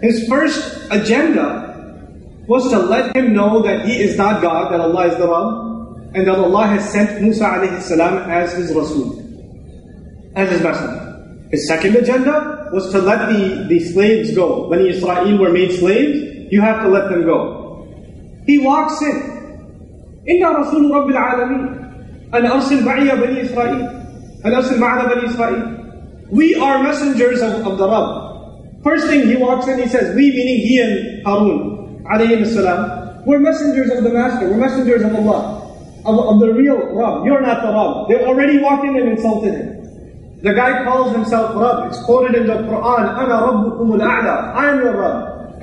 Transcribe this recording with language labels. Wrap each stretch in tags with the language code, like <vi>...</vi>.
<en>His first agenda was to let him know that he is not God, that Allah is the Rabb, and that Allah has sent Musa alayhi salam as his Rasul, as his messenger. His second agenda was to let the slaves go. When Israel were made slaves, you have to let them go. He walks in.</en> <ar>إِنَّا رَسُولُ رَبِّ الْعَالَمِينَ أَنْ أَرْسِلْ بَعِيَ بَنِي إِسْرَائِيلِ أَنْ أَرْسِلْ مَعَنَا بَنِي إِسْرَائِيلِ</ar> <en>We are messengers of the Rabb. First thing, he walks in, he says, we, meaning he and Harun, alayhim as-salam, we're messengers of the Master, we're messengers of Allah, of the real Rabb. You're not the Rabb. They already walked in and insulted him. The guy calls himself Rabb. It's quoted in the Quran,</en> <ar>أَنَا رَبُّكُمُ الْأَعْلَى</ar> <en>I am your Rabb.</en>